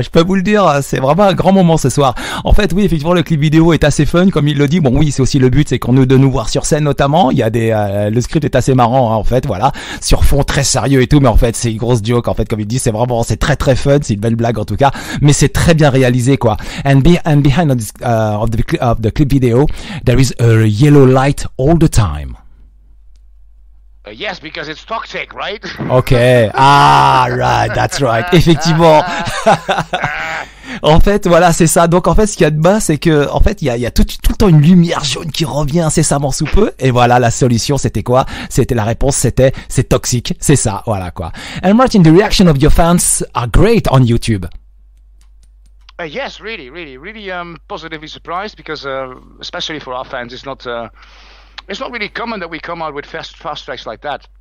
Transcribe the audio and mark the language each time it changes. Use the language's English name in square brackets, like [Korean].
[French] Je peux vous le dire, c'est vraiment un grand moment ce soir. En fait, oui, effectivement, le clip vidéo est assez fun, comme il le dit. Bon, oui, c'est aussi le but, c'est qu'on nous de nous voir sur scène, notamment. Il y a des, le script est assez marrant, hein, en fait, voilà, sur fond très sérieux et tout, mais en fait, c'est une grosse joke, en fait, comme il dit, c'est vraiment, c'est très très fun, c'est une belle blague en tout cas, mais c'est très bien réalisé, quoi. [English] And behind this, of the clip video, there is a yellow light all the time. Yes, because it's toxic, right? Okay. Ah, right. That's right. Effectivement. [French] En fait, voilà, c'est ça. Donc, en fait, ce qu'il y a de bas, c'est que, en fait, il y a tout le temps une lumière jaune qui revient incessamment sous peu. Et voilà, la solution, c'était quoi? C'était la réponse, c'était, c'est toxique. C'est ça. Voilà, quoi. [English] And Martin, the reaction of your fans are great on YouTube. Yes, really, really, really, positively surprised because, especially for our fans, it's not really common that we come out with fast tracks like that.